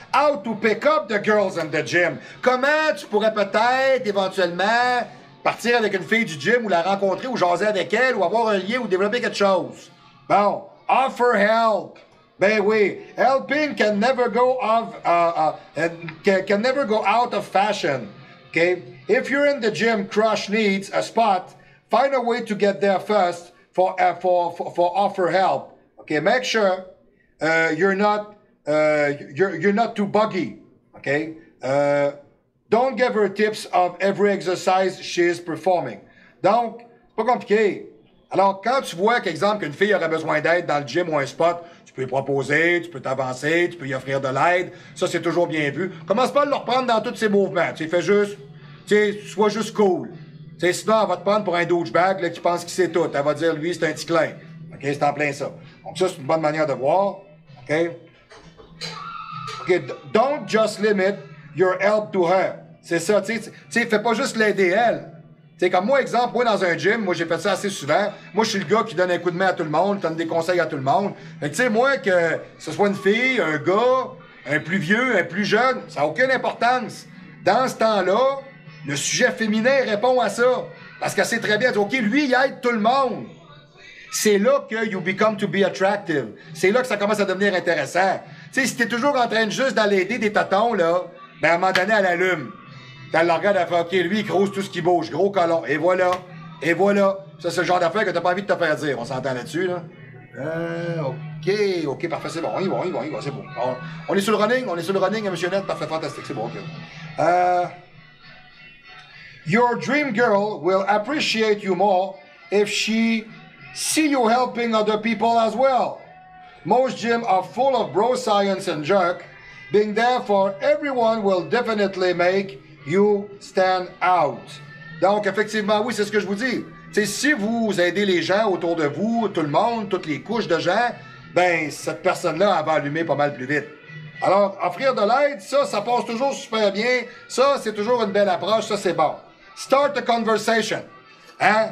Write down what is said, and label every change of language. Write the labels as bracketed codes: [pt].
[en] How to pick up the girls in the gym. [fr] Comment tu pourrais peut-être, éventuellement, partir avec une fille du gym ou la rencontrer ou jaser avec elle ou avoir un lien ou développer quelque chose? [en] Bon. Offer help. [fr] Ben oui. [en] Helping can never go out of fashion. Okay. If you're in the gym, crush needs a spot. Find a way to get there first for offer help. Okay. Make sure you're not too buggy. Okay. Don't give her tips of every exercise she's performing. [fr] Donc, c'est pas compliqué. Alors, quand tu vois qu'exemple qu'une fille aurait besoin d'aide dans le gym ou un spot, tu peux lui proposer, tu peux t'avancer, tu peux lui offrir de l'aide. Ça, c'est toujours bien vu. Commence pas à le reprendre dans tous ses mouvements. Tu fais juste. T'sais, sois juste cool. T'sais, sinon, elle va te prendre pour un douchebag là, qui pense qu'il sait tout. Elle va dire, lui, c'est un petit clin. OK, c'est en plein ça. Donc ça, c'est une bonne manière de voir. OK? [en] OK, don't just limit your help to her. [fr] C'est ça, t'sais, fais pas juste l'aider elle. T'sais, comme moi, exemple, moi, dans un gym, moi, j'ai fait ça assez souvent. Moi, je suis le gars qui donne un coup de main à tout le monde, donne des conseils à tout le monde. Mais t'sais, moi, que ce soit une fille, un gars, un plus vieux, un plus jeune, ça n'a aucune importance. Dans ce temps-là, le sujet féminin répond à ça. Parce qu'elle sait très bien, elle dit, OK, lui, il aide tout le monde. C'est là que [en] you become to be attractive. [fr] C'est là que ça commence à devenir intéressant. Tu sais, si t'es toujours en train juste d'aller aider des tatons, là, ben, à un moment donné, elle allume. T'as le regard, elle fait, OK, lui, il crouse tout ce qui bouge. Gros colon. Et voilà. Et voilà. Ça, c'est le genre d'affaire que t'as pas envie de te faire dire. On s'entend là-dessus, là. OK, parfait, c'est bon. On y va, c'est bon. On est sur le running, hein, monsieur Net. Parfait, fantastique. C'est bon, OK. [en] Your dream girl will appreciate you more if she see you helping other people as well. Most gyms are full of bro science and jerk. Being there for everyone will definitely make you stand out. [fr] Donc, effectivement, oui, c'est ce que je vous dis. T'sais, si vous aidez les gens autour de vous, tout le monde, toutes les couches de gens, ben, cette personne-là, elle va allumer pas mal plus vite. Alors, offrir de l'aide, ça passe toujours super bien. Ça, c'est toujours une belle approche. Ça, c'est bon. [en] Start the conversation. [fr] Hein?